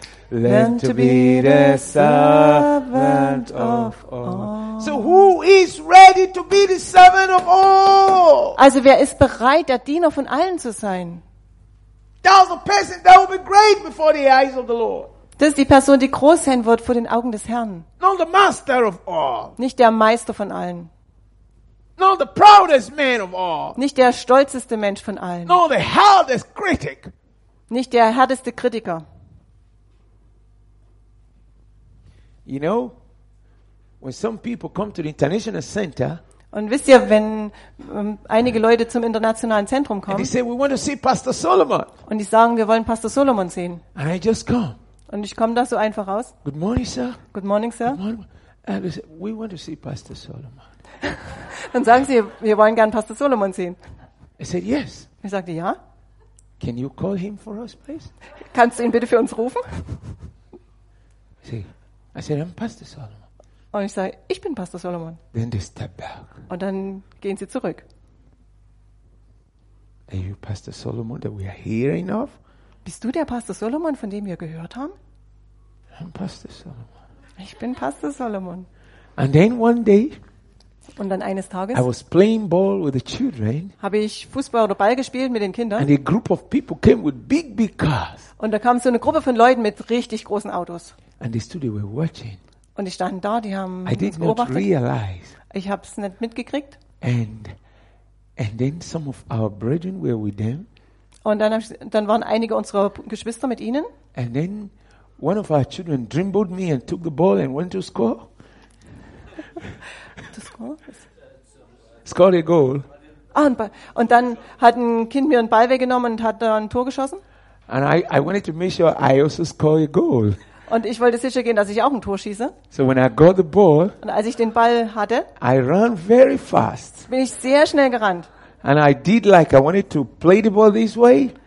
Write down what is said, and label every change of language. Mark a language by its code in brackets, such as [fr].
[en] Learn to be the servant of all. So who is ready to be the servant of all? [de] Also wer ist bereit, der Diener von allen zu sein? [en] That's the person that will be great before the eyes of the Lord. [de] Das ist die Person, die groß sein wird vor den Augen des Herrn. [en] Not the master of all. [de] Nicht der Meister von allen. [en] Not the proudest man of all. [de] Nicht der stolzeste Mensch von allen. [en] Not the hardest critic. [de] Nicht der härteste Kritiker. [en] You know, when some people come to the international center. [de] Und wisst ihr, wenn einige Leute zum internationalen Zentrum kommen. [en] And they say, we want to see Pastor Solomon. [de] Und die sagen, wir wollen Pastor Solomon sehen. [en] And I just come. [de] Und ich komme da so einfach raus. [en] Good morning, sir. Good morning, sir. Good morning. We want to see Pastor Solomon. [de] Dann sagen sie, wir wollen gern Pastor Solomon sehen. [en] I said yes. [de] Ich sagte ja. [en] Can you call him for us, please? [de] Kannst du ihn bitte für uns rufen? [en] See, I said I'm Pastor Solomon. [de] Und ich sage, ich bin Pastor Solomon. [en] Then they step back. [de] Und dann gehen sie zurück. [en] Are you Pastor Solomon that we are hearing of? [de] Bist du der Pastor Solomon, von dem wir gehört haben? [en] I'm Pastor Solomon. [de] Ich bin Pastor Solomon. [en] And then one day, [de] und dann eines Tages, [en] I was playing ball with the children, [de] habe ich Fußball oder Ball gespielt mit den Kindern. [en] And a group of people came with big, big cars. [de] Und da kam so eine Gruppe von Leuten mit richtig großen Autos. [en] And the students were watching. [de] Und ich stand da, die haben uns beobachtet. [en] I didn't realize. [de] Ich habe es nicht mitgekriegt. [en] And then some of our brethren were with them. [de] Und dann waren einige unserer Geschwister mit ihnen. [en] And then one of our children dribbled me and took the ball and went to score. To score? Scored a goal. [de] Ah, und dann hat ein Kind mir einen Ball weggenommen und hat dann ein Tor geschossen. [en] And I wanted to make sure I also score a goal. [de] Und ich wollte sicher gehen, dass ich auch ein Tor schieße. [en] So when I got the ball. [de] Und als ich den Ball hatte. [en] I ran very fast. [de] Bin ich sehr schnell gerannt. [en] And I did like I wanted to play the ball this way.